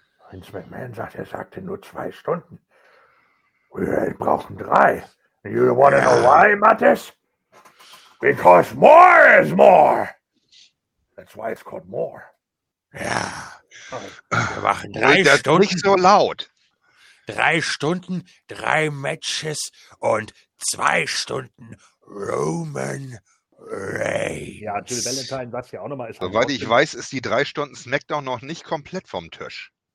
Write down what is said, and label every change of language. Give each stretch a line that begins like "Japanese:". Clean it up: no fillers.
German: Vince McMahon sagt, er sagte nur 2 Stunden. Wir brauchen 3.
English: You want to know why, Mattis? Because more is more. That's why it's called more.
German: Ja. Wir machen 3 Stunden. Nicht so laut. 3 Stunden, 3 Matches und 2 Stunden Roman Reigns. Ja, Jill Valentine sagt ja auch nochmal. Soweit ich weiß, ist die 3 Stunden SmackDown noch nicht komplett vom Tisch.